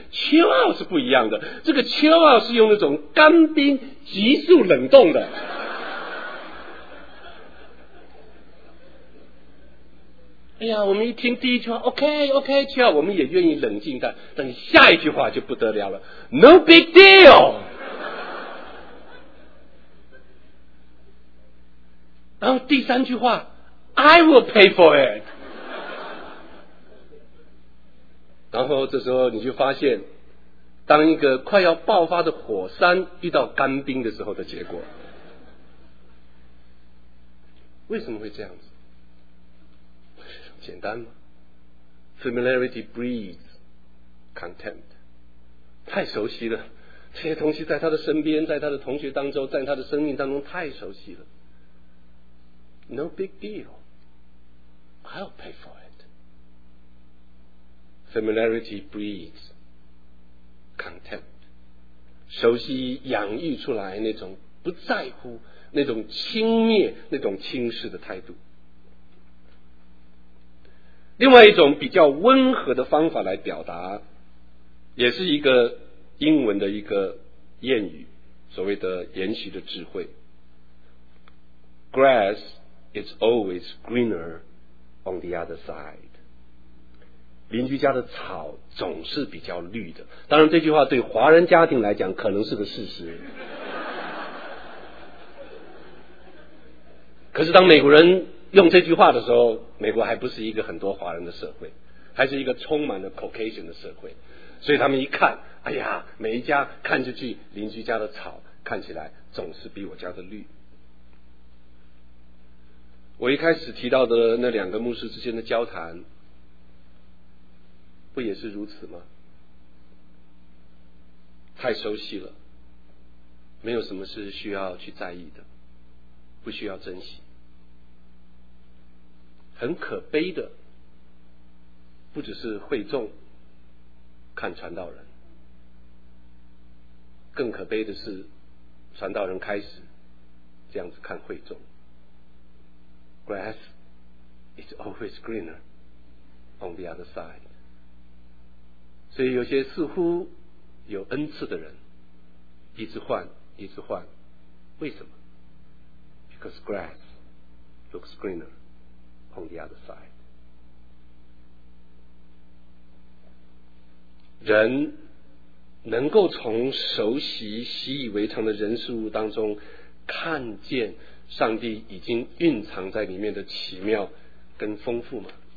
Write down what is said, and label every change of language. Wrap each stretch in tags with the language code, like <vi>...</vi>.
<en>chill out</en> <zh>是不一样的，这个</zh> <en>chill out</en> <zh>是用那种干冰急速冷冻的。哎呀，我们一听第一句话</zh> <en>OK chill out，</en> <zh>我们也愿意冷静，但等下一句话就不得了了，</zh> <en>no big deal。</en> <zh>然后第三句话</zh> <en>I will pay for it。</en> <zh>然后这时候你就发现，当一个快要爆发的火山遇到干冰的时候的结果。为什么会这样子？简单吗？</zh> <en>Familiarity breeds contempt。</en> <zh>太熟悉了，这些东西在他的身边，在他的同学当中，在他的生命当中太熟悉了。</zh> <en>No big deal. I'll pay for it. Familiarity breeds contempt.</en> <zh>熟悉洋溢出来那种不在乎、那种轻蔑、那种轻视的态度。另外一种比较温和的方法来表达，也是一个英文的一个谚语，所谓的延续的智慧。</zh> <en>Grass. It's always greener on the other side.</en> <zh>邻居家的草总是比较绿的。当然这句话对华人家庭来讲可能是个事实。可是当美国人用这句话的时候，美国还不是一个很多华人的社会，还是一个充满了 Caucasian 的社会。所以他们一看，哎呀，每一家看出去邻居家的草看起来总是比我家的绿。我一开始提到的那两个牧师之间的交谈不也是如此吗？太熟悉了，没有什么是需要去在意的，不需要珍惜。很可悲的不只是会众看传道人，更可悲的是传道人开始这样子看会众。</zh> <en>Grass is always greener on the other side.</en> <zh>所以有些似乎有恩赐的人一直换一直换，为什么？</zh> <en>Because grass looks greener on the other side.</en> <zh>人能够从熟悉习以为常的人事物当中看见上帝已经蕴藏在里面的奇妙跟丰富吗？</zh>